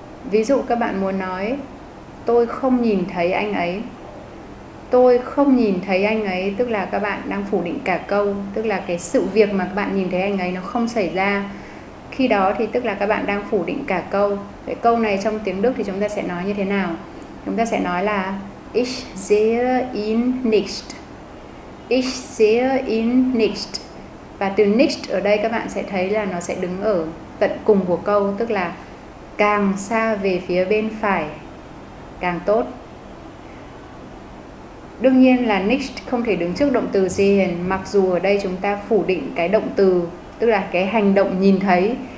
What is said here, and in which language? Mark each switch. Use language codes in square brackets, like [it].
[vi] Ví dụ các bạn muốn nói tôi không nhìn thấy anh ấy. Tôi không nhìn thấy anh ấy, tức là các bạn đang phủ định cả câu, tức là cái sự việc mà các bạn nhìn thấy anh ấy nó không xảy ra. Khi đó thì tức là các bạn đang phủ định cả câu. Cái câu này trong tiếng Đức thì chúng ta sẽ nói như thế nào? Chúng ta sẽ nói là [de] Ich sehe ihn nicht. Ich sehe ihn nicht. [vi] Và từ nicht ở đây các bạn sẽ thấy là nó sẽ đứng ở tận cùng của câu, tức là càng xa về phía bên phải càng tốt. Đương nhiên là nicht không thể đứng trước động từ sehen, mặc dù ở đây chúng ta phủ định cái động từ, tức là cái hành động nhìn thấy.